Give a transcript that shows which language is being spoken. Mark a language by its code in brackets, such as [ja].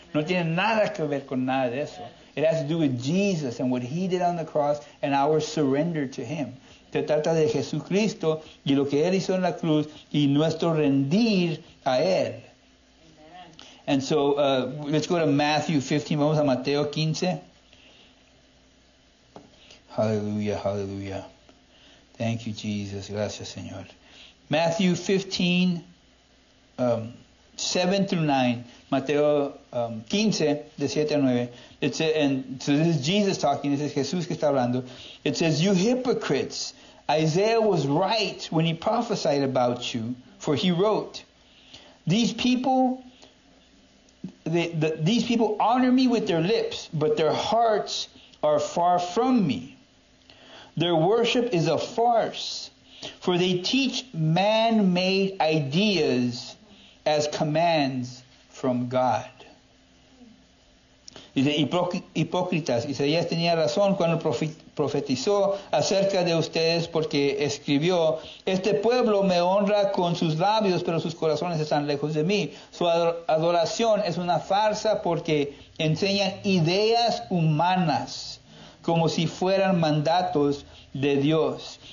[es] No tiene nada que ver con nada de eso. [en] It has to do with Jesus and what he did on the cross and our surrender to him. [es] Se trata de Jesucristo y lo que él hizo en la cruz y nuestro rendir a él. [en] And so, let's go to Matthew 15. [es] Vamos a Mateo 15. [en] Hallelujah, hallelujah. Thank you, Jesus. [es] Gracias, Señor. [en] Matthew 15, 7 through 9. [es] Mateo 15, de 7 a 9. [en] So this is Jesus talking. This is [es] Jesús que está hablando. [en] It says, "You hypocrites, Isaiah was right when he prophesied about you, for he wrote, 'These people... these people honor me with their lips, but their hearts are far from me. Their worship is a farce, for they teach man-made ideas as commands from God.'" [es] Dice, hipócritas, Isaías tenía razón cuando profetizó acerca de ustedes porque escribió, "Este pueblo me honra con sus labios, pero sus corazones están lejos de mí. Su adoración es una farsa porque enseñan ideas humanas como si fueran mandatos de Dios."